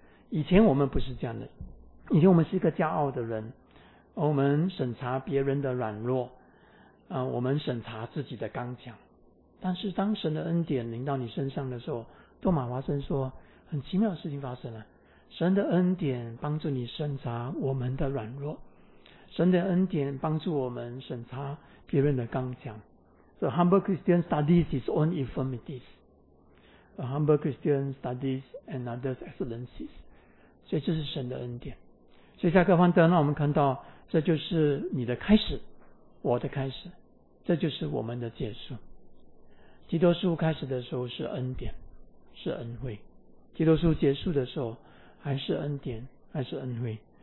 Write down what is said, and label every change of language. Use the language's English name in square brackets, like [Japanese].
[Chinese] 以前我们不是这样的，以前我们是一个骄傲的人，我们审查别人的软弱我们审查自己的刚强。但是当神的恩典临到你身上的时候，多马华森说很奇妙的事情发生了，神的恩典帮助你审查我们的软弱，神的恩典帮助我们审查别人的刚强。 [English] The humble Christian studies his own infirmities, the humble Christian studies another's excellencies. [Chinese] 所以这是神的恩典。所以下个幻灯让我们看到，这就是你的开始，我的开始，这就是我们的结束。基督书开始的时候是恩典，是恩惠，基督书结束的时候还是恩典，还是恩惠。